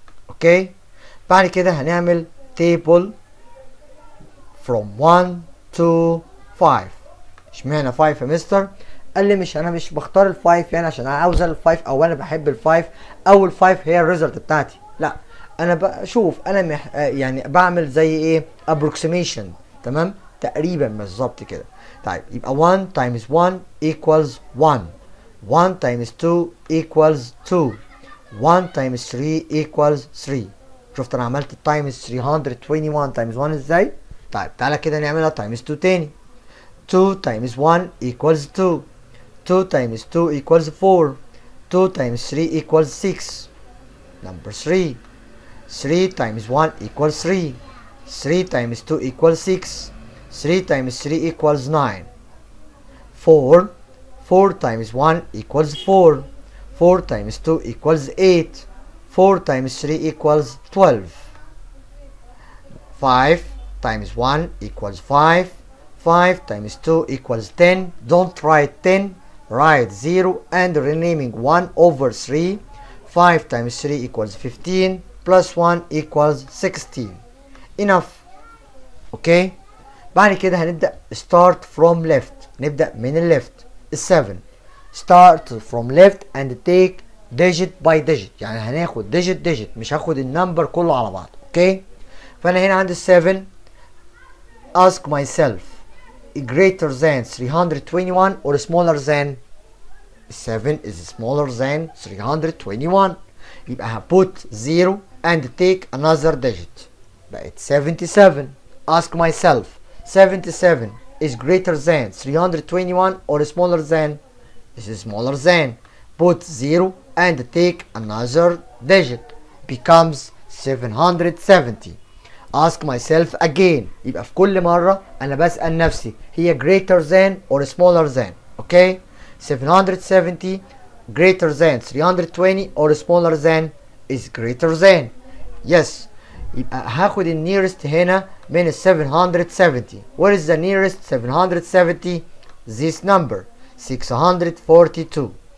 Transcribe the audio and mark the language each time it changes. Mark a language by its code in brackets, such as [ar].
[ar] okay بعد كده هنعمل [en] table from 1 to 5. [ar] اشمعنى 5 يا مستر؟ قال لي مش انا مش بختار ال 5 يعني عشان انا عاوز ال 5 او انا بحب ال 5 او ال 5 هي الريزلت بتاعتي، لا انا بشوف انا يعني بعمل زي ايه approximation. تمام تقريبا بالظبط كده. طيب يبقى [en] 1 times 1 equals 1، 1 times 2 equals 2، 1 times 3 equals 3. [ar] شفت انا عملت [en] times 321 times 1 [ar] ازاي؟ طيب تعالى كده نعملها [en] times 2 [ar] تاني. [en] 2 times 1 equals 2، 2 times 2 equals 4، 2 times 3 equals 6 number 3، 3 times 1 equals 3، 3 times 2 equals 6، 3 times 3 equals 9. 4. 4 times 1 equals 4. 4 times 2 equals 8. 4 times 3 equals 12. 5 times 1 equals 5. 5 times 2 equals 10. Don't write 10. Write 0 and renaming 1 over 3. 5 times 3 equals 15. Plus 1 equals 16. Enough. Okay? [ar] بعد كده هنبدأ [en] start from left، [ar] نبدأ من ال left. 7 [en] start from left and take digit by digit، [ar] يعني هناخد digit digit مش هاخد ال number كله على بعض. [en] okay فأنا هنا عند 7 ask myself greater than 321 or smaller than 7 is smaller than 321، [ar] يبقى هبوت [en] 0 and take another digit [ar] بقت [en] 77. ask myself 77 is greater than 321 or smaller than. This is smaller than. Put 0 and take another digit. Becomes 770. Ask myself again. [ar] يبقى في كل مرة أنا بسأل نفسي هي [en] greater than or smaller than. Okay. 770 greater than 320 or smaller than is greater than. [ar] Yes. يبقى هاخد النيرست هنا من 770. [en] What is the nearest 770؟ This number 642.